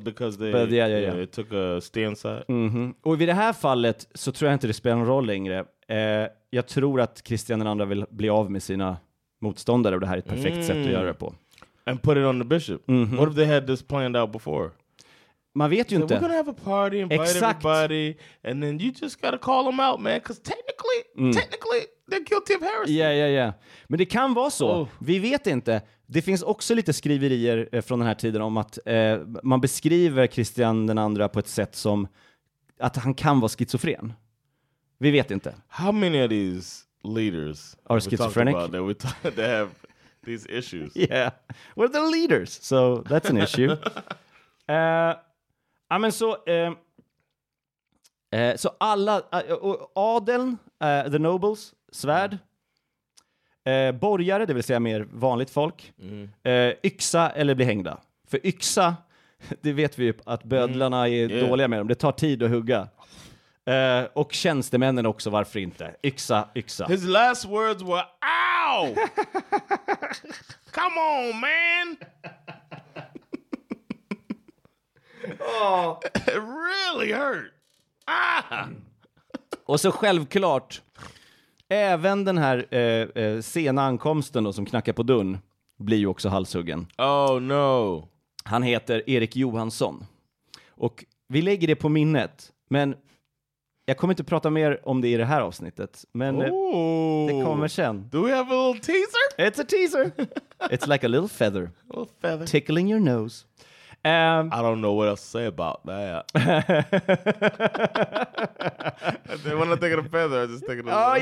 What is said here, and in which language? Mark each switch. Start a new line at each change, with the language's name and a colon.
English: Because it took a stand side. Mm-hmm.
Swedish: Och i det här fallet så tror jag inte det spelar någon roll längre. Jag tror att Christian den andra vill bli av med sina motståndare och det här är ett perfekt sätt att göra det på.
English: And put it on the bishop. Mm-hmm. What if they had this planned out before?
Swedish: Man vet ju inte.
English: We're gonna have a party, invite everybody, and then you just gotta call them out, man. Because technically, they're guilty of heresy.
Swedish: Yeah. Men det kan vara så. Oh. Vi vet inte. Det finns också lite skriverier från den här tiden om att man beskriver Christian den andra på ett sätt som att han kan vara schizofren. Vi vet inte.
English: How many of these leaders are schizophrenic? They have these issues. Yeah. We're the leaders, so that's an issue.
Swedish: Ja, men så alla, adeln,
English: the nobles,
Swedish: svärd, borgare, det vill säga mer vanligt folk, yxa eller bli hängda. För yxa, det vet vi ju att bödlarna är dåliga med dem, det tar tid att hugga. Och tjänstemännen också, varför inte? Yxa, yxa.
English: His last words were, ow! Come on, man! Oh. It really hurt. Ah!
Swedish: Och så självklart, även den här sena ankomsten då, som knackar på dörren, blir ju också halshuggen.
English: Oh no.
Swedish: Han heter Erik Johansson. Och vi lägger det på minnet, men jag kommer inte prata mer om det i det här avsnittet. Men det kommer sen.
English: Do we have a little teaser? It's a teaser. It's like a little feather. A little feather. Tickling your nose. I don't know what else to say about that. When I think of a feather, I just think of